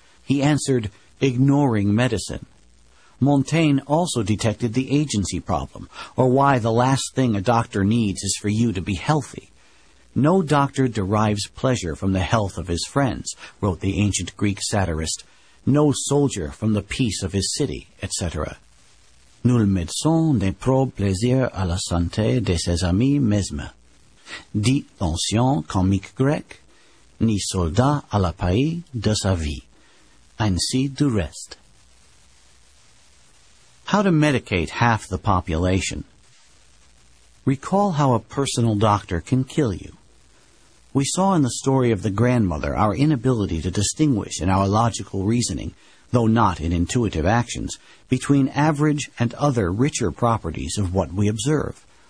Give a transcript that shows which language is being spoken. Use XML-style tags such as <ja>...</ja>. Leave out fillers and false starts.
<en>He answered, ignoring medicine. Montaigne also detected the agency problem, or why the last thing a doctor needs is for you to be healthy. No doctor derives pleasure from the health of his friends, wrote the ancient Greek satirist. No soldier from the peace of his city, etc.</en> <fr>Nul médecin ne prend plaisir à la santé de ses amis mesmes. Dit l'ancien comique grec, ni soldat à la paix de sa vie. Ainsi du reste.</fr> <en>How to medicate half the population. Recall how a personal doctor can kill you. We saw in the story of the grandmother our inability to distinguish in our logical reasoning, though not in intuitive actions, between average and other richer properties of what we observe.</en>